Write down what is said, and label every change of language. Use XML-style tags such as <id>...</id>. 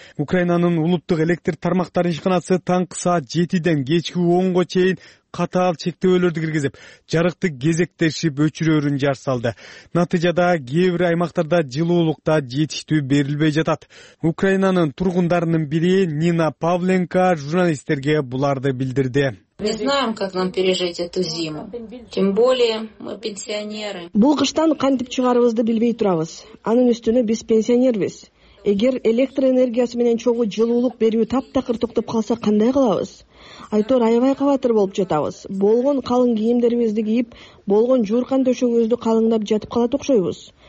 <ky>Украинанын улуттук электр тармактары ишканасы таң саат 7:00 кечки 10:00 чейин катаал чектөөлөрдү киргизип, жарыкты кезектешип өчүрөөрүн жар салды. Натыйжада кээ бир аймактарда жылуулук да жетиштүү берилбей жатат. Украинанын тургундарынын бири Нина Павленко журналисттерге буларды билдирди.</ky> <ru>Не знаем, как нам пережить эту зиму. Тем более мы пенсионеры.</ru> <ky>Бул кыштан кантип чыгарыбызды билбей турабыз. Анын үстүнө биз пенсионербиз. Эгер электр энергиясы менен чогуу жылуулук берүү таптакыр токтоп калса кандай кылабыз? Айтор аябай кабатыр болуп жатабыз. Болгон калың кийимдерибизди кийип, болгон жууркан төшөгүбүздү калыңдап жатып калат окшойбуз.</ky>